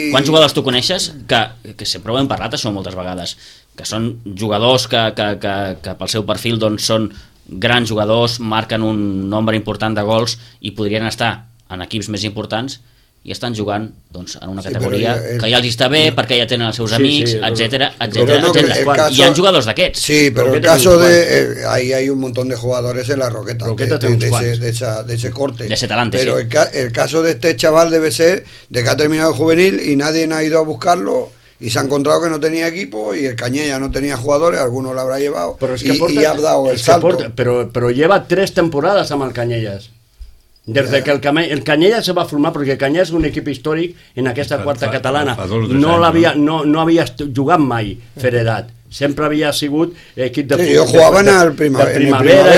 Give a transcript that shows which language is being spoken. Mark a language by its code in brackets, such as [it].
[ca] quants jugadors tu coneixes, que sempre ho hem parlat, això, moltes vegades, que són jugadors que pel seu perfil, doncs, són grans jugadors, marquen un nombre important de gols i podrien estar en equips més importants, i estan jugant, doncs, en una, sí, categoria ja, que ja els està bé, no, perquè ja tenen els seus, sí, amics, sí, etcètera, etcètera, no, etcètera. Caso, hi ha jugadors d'aquests. Sí, però el caso de... [es] ahí hay un montón de jugadores en la Roqueta. [ca] Roqueta té uns quants. [es] De ese corte. De ese talante, pero sí. Pero el caso de este chaval debe ser de que ha terminado el juvenil y nadie ha ido a buscarlo, y se ha encontrado que no tenía equipo y el Cañé ya no tenía jugadores, alguno lo habrá llevado, pero es que y, aporta, y ha dado el salto. Aporta, pero lleva tres temporadas [ca] amb el Canyelles. Des de que el Canyella se va formar, perquè Canyella és un equip històric en aquesta quarta catalana, no l'havia, no havia jugat mai Feredat, sempre havia sigut equip de, sí, jo jugava en el primavera